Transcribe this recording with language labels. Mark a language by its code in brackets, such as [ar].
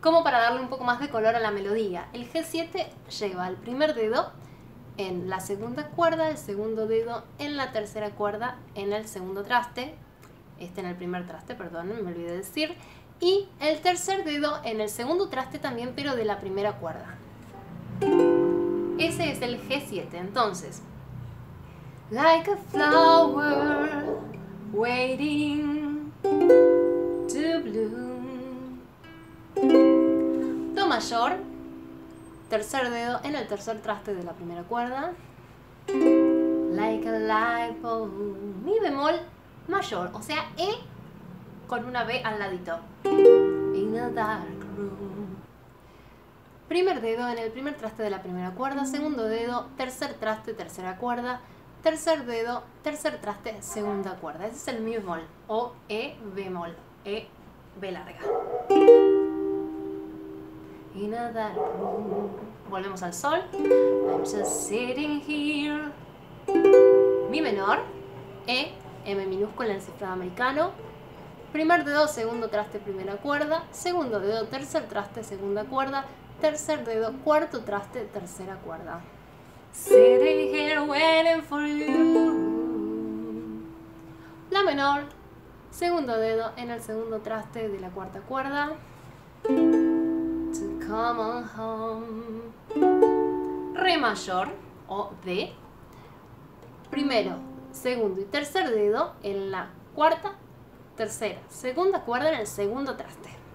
[es] Como para darle un poco más de color a la melodía, el G7 lleva el primer dedo en la segunda cuerda, el segundo dedo en la tercera cuerda, en el segundo traste, este en el primer traste, perdón, me olvidé de decir, y el tercer dedo en el segundo traste también, pero de la primera cuerda. Ese es el G7, entonces. [en] Like a flower waiting to bloom. [es] Do mayor, tercer dedo en el tercer traste de la primera cuerda. [en] Like a light bulb. [es] Mi bemol mayor, o sea, E con una B al ladito. [en] In a dark room. [es] Primer dedo en el primer traste de la primera cuerda, segundo dedo, tercer traste, tercera cuerda, tercer dedo, tercer traste, segunda cuerda. Ese es el mi bemol, o E bemol, E B larga. [en] In a dark room. [es] Volvemos al sol. [en] I'm just sitting here. [es] Mi menor, E, M minúscula en cifrado americano. Primer dedo, segundo traste, primera cuerda. Segundo dedo, tercer traste, segunda cuerda. Tercer dedo, cuarto traste, tercera cuerda. [en] Sitting here waiting for you. [es] La menor, segundo dedo en el segundo traste de la cuarta cuerda. [en] To come on home. [es] Re mayor o D. Primero, segundo y tercer dedo en la cuarta, tercera, segunda cuerda en el segundo traste.